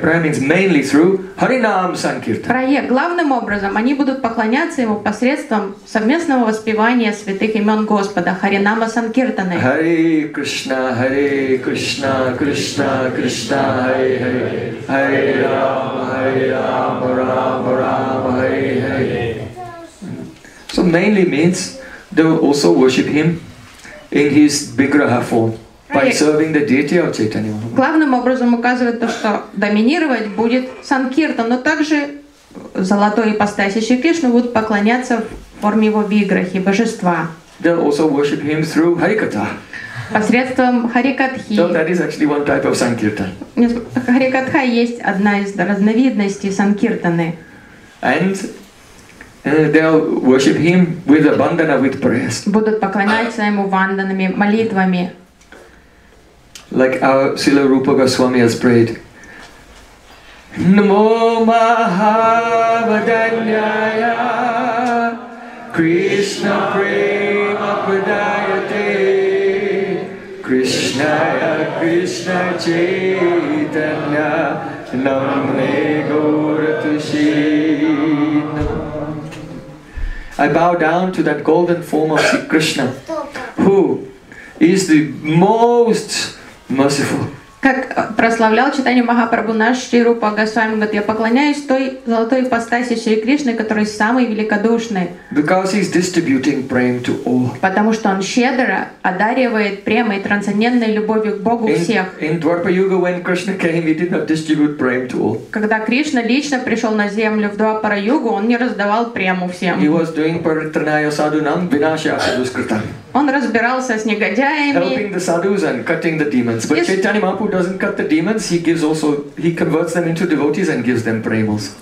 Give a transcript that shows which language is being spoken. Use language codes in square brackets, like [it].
[en] Praya means mainly through Harinam Sankirtana. Praya. [ru] Главным образом они будут поклоняться ему посредством совместного воспевания святых имен Господа Харинама Санкиртаны. [sa] Hare Krishna, Hare Krishna, Krishna Krishna, Hare Hare. Hare Rama, Hare Rama, Rama Rama, Hare Hare. [en] So mainly means they will also worship him in his Vigraha form. By serving the deity of Chaitanya Mahaprabhu. [ru] Главным образом указывает то, что доминировать будет Санкирта, но также золотой ипостаси Шри Кришны будут поклоняться в форме его виграхи, божества. [en] They'll also worship him through Харикатха. [ru] Посредством Харикатхи. [en] So that is actually one type of Sankirtan. [ru] Харикатха есть одна из разновидностей Санкиртаны. [en] And they'll worship him with abandana, with prayers. [ru] Будут поклоняться ему ванданами, молитвами. [en] Like our Srila Rupa Goswami has prayed. [sa] Namo Mahavadanyaya Krishna Prema Pradayate Krishnaya Krishna Chaitanya Namne Gauratushi. [en] I bow down to that golden form of Sri Krishna, who is the most [ru] как прославлял читание Махапрабху наш Шри Рупа Госвами, говорит, я поклоняюсь той золотой ипостаси Шри Кришны, который самый великодушный. [en] Because he's distributing prema to all. [ru] Потому что он щедро одаривает премой и трансцендентной любовью к Богу всех. [en] In Dwarpa Yuga, when Krishna came, he did not distribute prema to all. [ru] Когда Кришна лично пришел на землю в Двапара Югу, он не раздавал прему всем. [en] He was doing [sa] paritranaya sadhunam vinashaya sadhuskrita. [ru] Он разбирался с негодяями. [en] Helping the sadhus and cutting the demons. But Chaitanya Mahaprabhu doesn't cut the demons. He gives also, he converts them into devotees and gives them premas.